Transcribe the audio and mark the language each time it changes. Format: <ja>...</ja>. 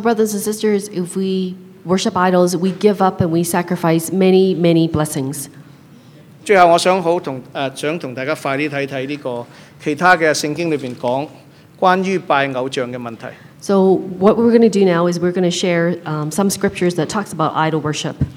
<en>brothers and sisters, if we worship idols, we give up and we sacrifice many, many blessings.</en> <yue>最后我想同大家快啲睇睇呢个其他嘅圣经里边讲关于拜偶像嘅问题。</yue> <en>So what we're going to do now is we're going to share some scriptures that talks about idol worship.</en>